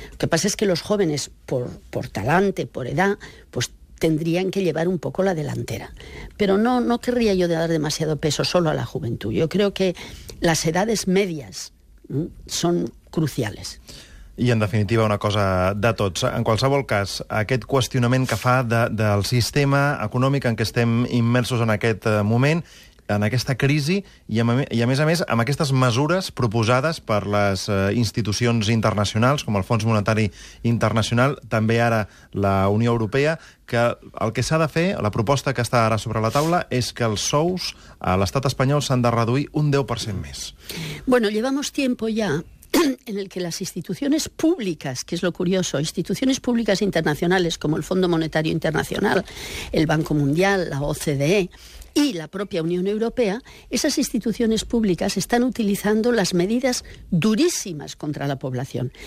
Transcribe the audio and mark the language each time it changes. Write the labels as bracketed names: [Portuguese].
[Spanish] Lo que pasa es que los jóvenes, por talante, por edad, pues tendrían que llevar un poco la delantera. Pero no, no querría yo dar demasiado peso solo a la juventud. Yo creo que las edades medias son cruciales. [Catalan] I, en definitiva, una cosa de tots. En qualsevol cas, aquest qüestionament que fa del sistema econòmic en què estem immersos en aquest moment, en aquesta crisi, i a més, amb aquestes mesures proposades per les institucions internacionals, com el Fons Monetari Internacional, també ara la Unió Europea, que el que s'ha de fer, la proposta que està ara sobre la taula, és que els sous a l'estat espanyol s'han de reduir un 10% més. [Spanish] Bueno, llevamos tiempo ya en el que las instituciones públicas, que es lo curioso, instituciones públicas internacionales como el Fondo Monetario Internacional, el Banco Mundial, la OCDE y la propia Unión Europea, esas instituciones públicas están utilizando las medidas durísimas contra la población.